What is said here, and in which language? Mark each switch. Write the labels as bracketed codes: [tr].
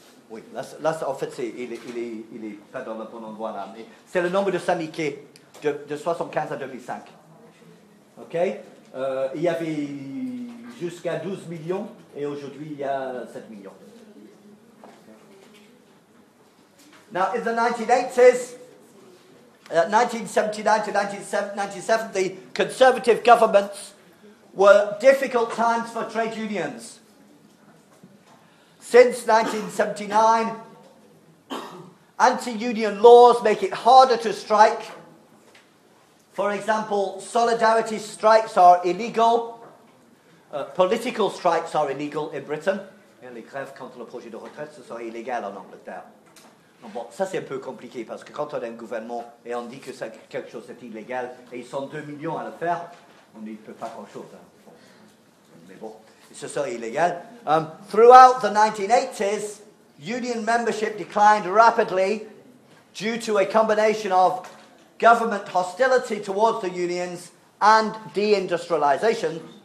[fr] Oui, là, en fait, c'est, il est pas dans le bon endroit là. Mais c'est le nombre de syndiqués de 75 à 2005. OK? Il y avait jusqu'à 12 millions et aujourd'hui, il y a 7 millions. [en] Now, in the 1980s, 1979 to 1997, the Conservative governments were difficult times for trade unions. Since 1979, anti-union laws make it harder to strike. For example, solidarity strikes are illegal. Political strikes are illegal in Britain. [fr] Les grèves contre le projet de retraite, ce sera illégal en Angleterre. Bon, ça c'est un peu compliqué parce que quand on a un gouvernement et on dit que ça, quelque chose est illégal et ils sont 2 millions à le faire, on ne peut pas grand chose. Hein. Mais bon, ce serait illégal. [en] Throughout the 1980s, union membership declined rapidly due to a combination of government hostility towards the unions and deindustrialization.